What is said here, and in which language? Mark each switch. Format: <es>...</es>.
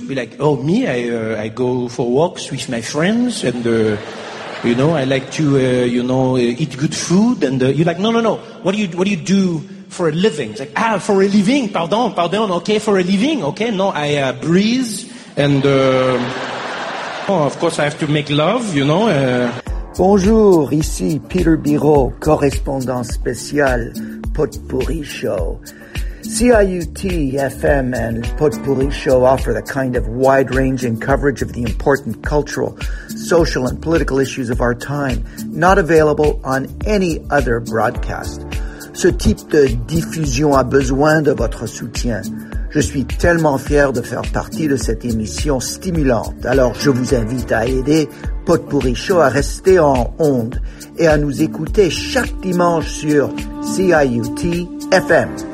<en>Be like, oh, me, I go for walks with my friends and, you know, I like to, you know, eat good food. And you're like, no. What do you do for a living? It's like, ah, for a living, pardon. Okay, for a living, okay. No, I breathe and, oh, of course, I have to make love, you know.</en> <fr>Bonjour, ici Peter Biro, correspondant spécial, Potpourri Show.</fr> <en>CIUT FM and Potpourri Show offer the kind of wide-ranging coverage of the important cultural, social, and political issues of our time, not available on any other broadcast.</en> <fr>Ce type de diffusion a besoin de votre soutien. Je suis tellement fier de faire partie de cette émission stimulante. Alors, je vous invite à aider Potpourri Show à rester en onde et à nous écouter chaque dimanche sur CIUT FM.</fr>